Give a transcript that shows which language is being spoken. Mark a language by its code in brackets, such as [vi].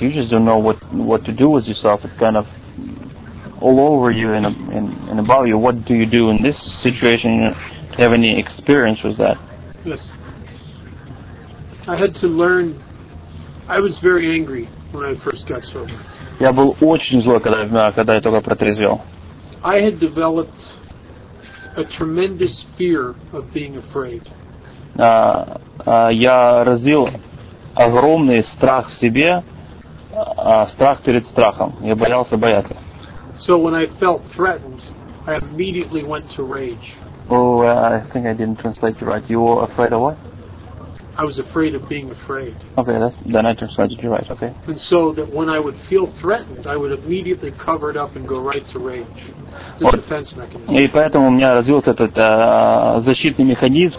[en] You just don't know what to do with yourself. It's kind of all over you and above you. What do you do in this situation? Do you have any experience with that? Yes. I had to learn. I was very angry when I first got sober. [ru] Я был очень злой, когда я только протрезвел. [en] I had developed a tremendous fear of being afraid. [ru] Я развил огромный страх в себе, страх перед страхом. Я боялся бояться. [en] So when I felt threatened, I immediately went to rage. Oh, I think I didn't translate you right. You were afraid of what? I was afraid of being afraid. Okay, that's then I translated you right. Okay. And so that when I would feel threatened, I would immediately cover it up and go right to rage. Defense mechanism. [ru] И поэтому у меня развился этот защитный механизм.